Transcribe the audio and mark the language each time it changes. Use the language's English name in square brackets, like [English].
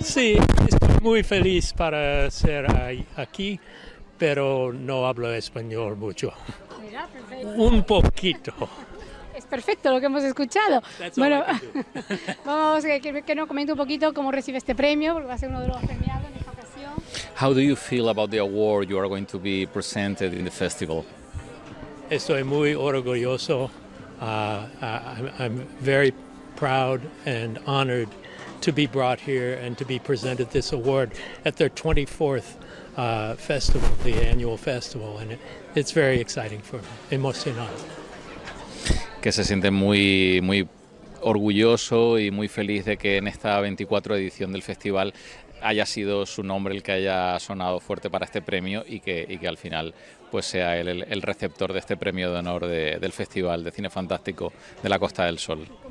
[Spanish] Sí, estoy muy feliz para ser aquí, pero no hablo español mucho. Mira, perfecto. Un poquito. Perfecto lo que hemos escuchado. Bueno, vamos a que nos comente un poquito cómo recibe este premio, porque va a ser uno de los premiados en esta ocasión. [English] How do you feel about the award you are going to be presented in the festival? [Spanish] Estoy muy orgulloso. [English] I'm very proud and honored to be brought here and to be presented this award at their 24th festival, the annual festival, and it's very exciting for me. [Spanish] Emocionante. Que se siente muy, muy orgulloso y muy feliz de que en esta 24 edición del festival haya sido su nombre el que haya sonado fuerte para este premio y que al final pues sea él el receptor de este premio de honor del Festival de Cine Fantástico de la Costa del Sol.